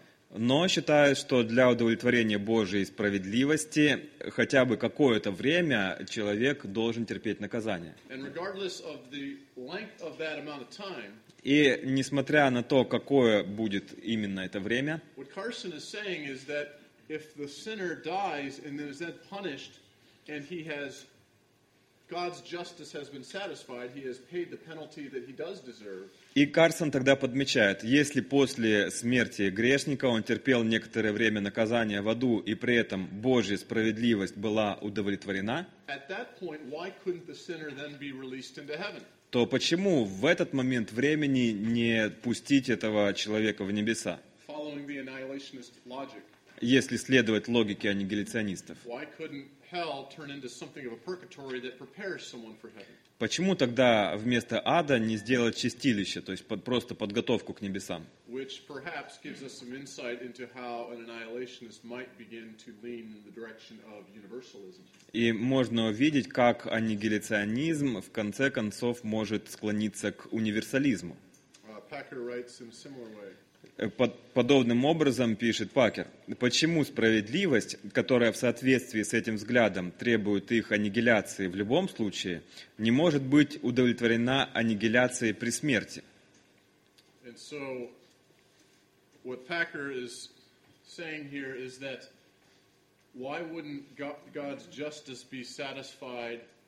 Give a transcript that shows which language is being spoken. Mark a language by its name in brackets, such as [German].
[Russian] Но считают, что для удовлетворения Божьей справедливости хотя бы какое-то время человек должен терпеть наказание. И несмотря на то, какое будет именно это время, [English] what Carson is saying is that if the sinner dies and then is then punished, and he has God's justice has been satisfied, he has paid the penalty that he does deserve. [Russian] И Карсон тогда подмечает, если после смерти грешника он терпел некоторое время наказания в аду, и при этом Божья справедливость была удовлетворена, [English] at that point, why couldn't the sinner then be released into heaven? [Russian] То почему в этот момент времени не пустить этого человека в небеса? [English] Following the annihilationist logic. [Russian] если следовать логике аннигиляционистов. [English] Why couldn't hell turn into something of a purgatory that prepares someone for heaven? [Russian] Почему тогда вместо ада не сделать чистилище, то есть просто подготовку к небесам? [English] Which perhaps gives us some insight into how an annihilationist might begin to lean in the direction of universalism. [Russian] И можно увидеть, как аннигиляционизм в конце концов может склониться к универсализму. [English] Packer writes in a similar way. [Russian] Подобным образом пишет Пакер, почему справедливость, которая в соответствии с этим взглядом требует их аннигиляции в любом случае, не может быть удовлетворена аннигиляцией при смерти? [English] And so, what Packer is saying here is that why wouldn't God's justice be satisfied?